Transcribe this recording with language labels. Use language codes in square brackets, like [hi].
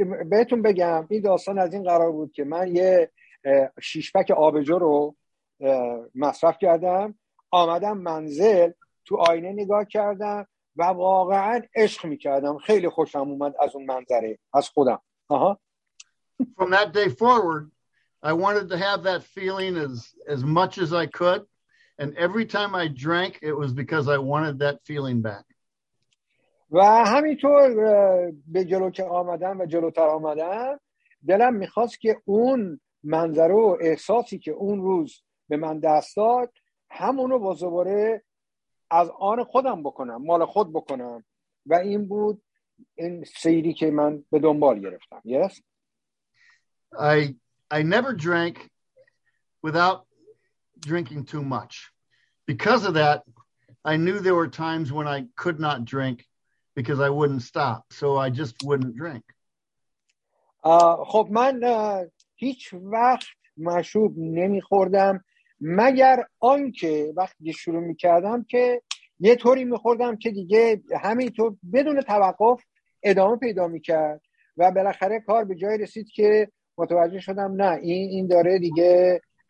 [fa] بهتون بگم این داستان از این قرار بود که من یه شیش پک آبجو رو مصرف کردم، آمدم منزل تو آینه نگاه کردم و واقعا عشق می‌کردم، خیلی خوشم اومد از اون منظره، از خودم. [en] From that day forward I wanted to have that feeling as much as I could, and every time I drank it was because I wanted that feeling back. [fa] و همینطور به جلو که آمدم و جلوتر آمدم دلم می‌خواست که اون منظره و احساسی که اون روز به من دست داد همونو با زباره از آن خودم بکنم، مال خود بکنم، و این بود این سیری که من به دنبال گرفتم. [en] Yes? I never drank without drinking too much. Because of that I knew there were times when I could not drink because I wouldn't stop, so I just wouldn't drink. [fa] خب من هیچ وقت مشروب نمی خوردم مگر آنکه وقتی شروع میکردم که یه طوری میخوردم که دیگه همینطور بدون توقف ادامه پیدا میکرد و بالاخره کار به جای رسید که متوجه شدم نه این داره دیگه